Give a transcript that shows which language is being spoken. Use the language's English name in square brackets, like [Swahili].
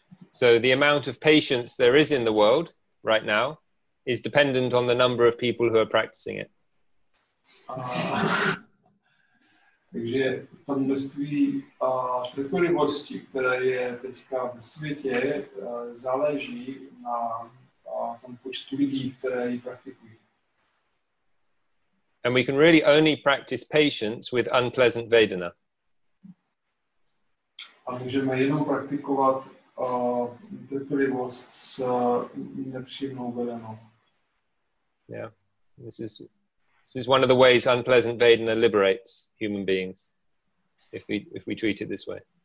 [English] So the amount of patience there is in the world right now is dependent on the number of people who are practicing it. [Czech] Takže to množství trpělivosti, které je teďka v světě, záleží na tom počtu lidí, které ji praktikují. [English] And we can really only practice patience with unpleasant vedana. [Czech] A můžeme jenom praktikovat trpělivost s nepříjemnou vedanou. [English] Yeah, this is one of the ways unpleasant vedana liberates human beings, if we treat it this way.